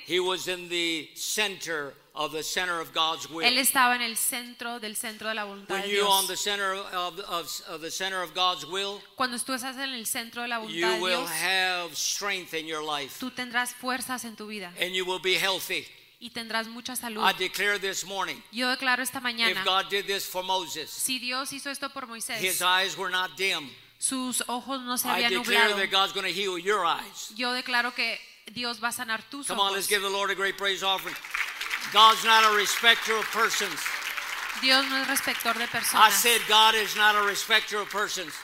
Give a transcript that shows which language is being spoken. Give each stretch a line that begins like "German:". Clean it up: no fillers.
English: He was in the center of the center of God's will.
Spanish: Él estaba en el centro del centro de la voluntad de Dios.
English: When you're on the center of the center of God's will,
Spanish: cuando tú estás en el centro de la voluntad de Dios,
English: you will have strength in your life.
Spanish: Tú tendrás fuerzas en tu vida.
English: And you will be healthy.
Spanish: Y tendrás mucha salud.
English: I declare this morning.
Spanish: Yo declaro esta mañana.
English: If God did this for Moses,
Spanish: si Dios hizo esto por Moisés,
English: his eyes were not dim.
Spanish: Sus ojos no se habían nublado.
English: I declare that God's going to heal your eyes.
Spanish: Yo declaro que Dios va a sanar tus ojos.
English: Come on, let's give the Lord a great praise offering. God's not a respecter of persons.
Spanish: Dios no es respector de personas.
English: I said God is not a respecter of persons.